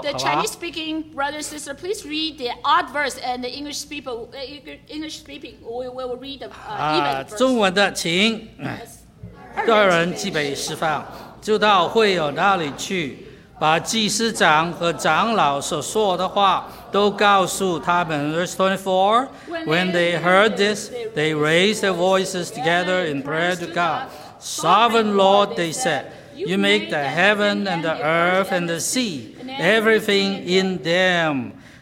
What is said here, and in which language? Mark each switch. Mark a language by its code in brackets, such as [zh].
[en] The Chinese speaking brother sister, please read the odd verse and the English speaking, we will read the even verse. [zh] 中文的请，个人既被释放，就到会友那里去，把祭司长和长老所说的话。都告诉他们, [en] verse 24, when they heard this, they raised their voices together in prayer to God. Sovereign Lord, they said, you make the heaven and the earth and the sea, everything in them.